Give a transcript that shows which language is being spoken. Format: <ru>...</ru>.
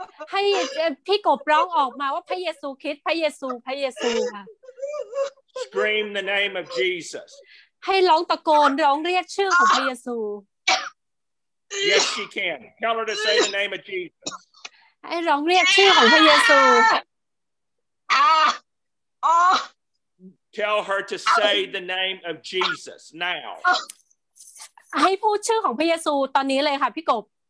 <th>ให้พี่กบร้องออกมาว่าพระเยซูคริสต์พระเยซูพระเยซูค่ะ</th> <en>Scream the name of Jesus</en> <th>ให้ร้องตะโกนร้องเรียกชื่อของพระเยซู</th> <en>Yes she can Tell her to say the name of Jesus</en> <th>ให้ร้องเรียกชื่อของพระเยซู</th> <en>Tell her to say the name of Jesus now.</en> <th>ให้พูดชื่อของพระเยซูตอนนี้เลยค่ะพี่กบ</th>